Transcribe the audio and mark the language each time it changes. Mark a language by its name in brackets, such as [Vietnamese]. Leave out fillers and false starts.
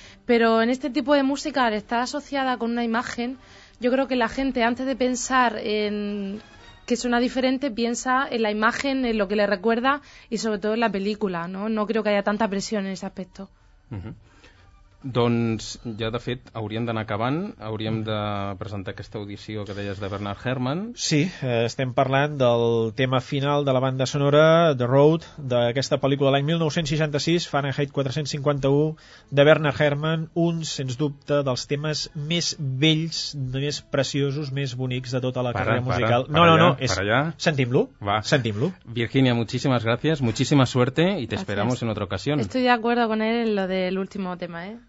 [Spanish] Pero en este tipo de música, al estar asociada con una imagen... Yo creo que la gente, antes de pensar en que suena diferente, piensa en la imagen, en lo que le recuerda y sobre todo en la película, ¿no? No creo que haya tanta presión en ese aspecto. [Catalan] Doncs ja, de fet, hauríem d'anar acabant. Hauríem de presentar aquesta audició que deies de Bernard Herrmann. Sí, estem parlant del tema final de la banda sonora, The Road, d'aquesta pel·lícula de l'any 1966, Fahrenheit 451, de Bernard Herrmann, un, sens dubte, dels temes més vells, més preciosos, més bonics de tota la carrera musical. Sentim-lo. Va. Sentim-lo. [Spanish] Virginia, muchísimas gracias, muchísima suerte y te esperamos en otra ocasión. Estoy de acuerdo con él en lo del último tema, ¿eh?